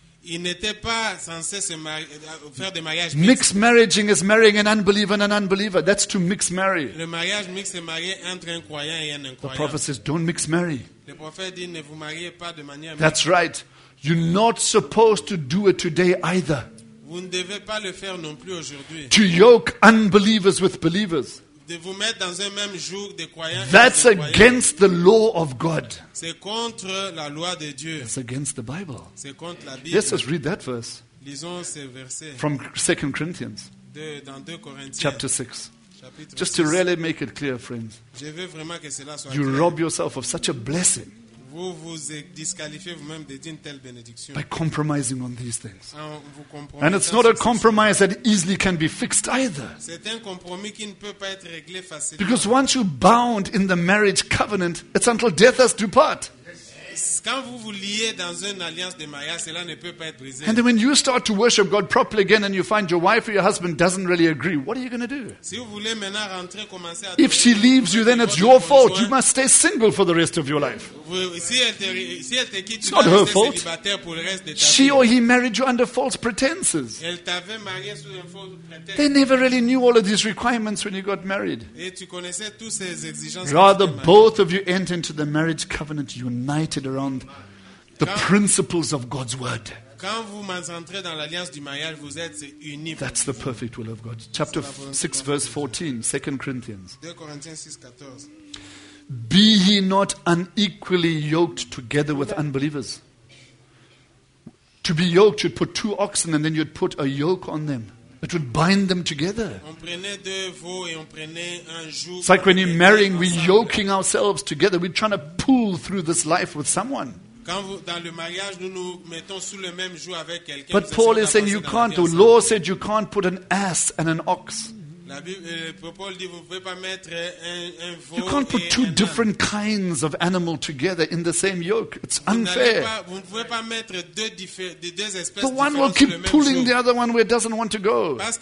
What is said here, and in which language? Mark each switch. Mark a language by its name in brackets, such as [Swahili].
[French] Ils n'étaient pas censés se marier, faire des mariages mixtes. [English] Mixed marrying is marrying an unbeliever and an unbeliever. That's to mix marry. [French] Le mariage mixte est marié entre un croyant et un incroyant. [English] The prophet says, don't mix marry. [French] Le prophète dit, ne vous mariez pas de manière mixte. [English] That's right. You're not supposed to do it today either. [French] Vous ne devez pas le faire non plus aujourd'hui. [English] To yoke unbelievers with believers. [French] De vous mettre dans un même jour des croyants. [English] That's against the law of God. [French] C'est contre la loi de Dieu. [English] It's against the Bible. [French] C'est contre la Bible. [English] Yes, let's read that verse. [French] Lisons ces versets. [English] From 2 Corinthians. [French] Dans 2 Corinthiens. [English] Chapter 6. [French] Chapitre [English] just [French] 6. [English] To really make it clear, friends. [French] Je veux vraiment que cela soit [English] you [French] clair. [English] Rob yourself of such a blessing. [French] Vous vous disqualifiez vous-même de dire une telle bénédiction. [English] By compromising on these things. [French] Vous [English] and it's not a compromise that easily can be fixed either. [French] C'est un compromis qui ne peut pas être réglé facilement. [English] Because once you're bound in the marriage covenant, it's until death us do part. [French] Quand vous vous liez dans une alliance de mariage, cela ne peut pas être brisé. [English] And then when you start to worship God properly again and you find your wife or your husband doesn't really agree, what are you going to do? [French] Si vous voulez maintenant rentrer, commencer à [English] if she leaves you, then it's your fault. You must stay single for the rest of your life. It's not her fault. She or he married you under false pretenses. [French] Elle t'avait marié sous un faux prétexte. [English] They never really knew all of these requirements when you got married. [French] Et tu connaissais toutes ces exigences. [English] Rather, both of you enter into the marriage covenant united around the principles of God's word. [French] Quand vous entrez dans l'alliance du mariage, vous êtes unis. [English] That's the perfect will of God. Chapter 6, verse 14, 2 Corinthians. 2 Corinthians 6, 14. Be ye not unequally yoked together with unbelievers. To be yoked, you'd put two oxen and then you'd put a yoke on them. It would bind them together. [French] On prenait deux veaux et on prenait un joug. [English] It's like when you're marrying, we're yoking ourselves together. We're trying to pull through this life with someone. [French] Dans le mariage, nous nous mettons sous le même joug avec quelqu'un. [English] But Paul is saying you can't. The law said you can't put an ass and an ox. You can't put two different kinds of animal together in the same yoke. It's unfair. The one will keep pulling the other one where it doesn't want to go.